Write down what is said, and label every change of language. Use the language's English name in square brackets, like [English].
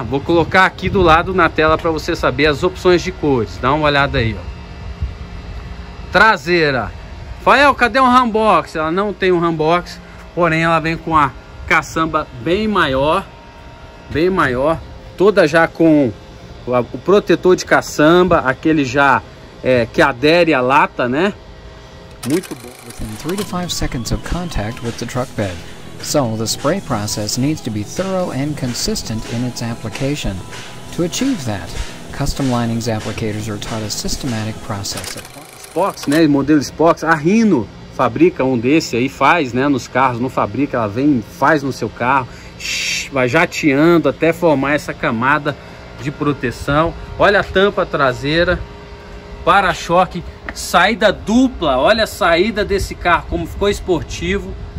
[Portuguese] Vou colocar aqui do lado na tela para você saber as opções de cores. Dá uma olhada aí, ó. Traseira. Fael, cadê um Rambox? Ela não tem um Rambox, porém ela vem com a caçamba bem maior. Bem maior. Toda já com o protetor de caçamba. Aquele já que adere à lata, né? Muito bom. [English] Within 3 to 5 seconds of contact with the truck bed. So the spray process needs to be thorough and consistent in its application. To achieve that, custom linings applicators are taught a systematic process. [Portuguese] Spox, né, modelo Spox, a Rino fabrica um desse aí, faz, né, nos carros, não fabrica, ela vem, faz no seu carro, vai jateando até formar essa camada de proteção. Olha a tampa traseira, para-choque, saída dupla, olha a saída desse carro, como ficou esportivo.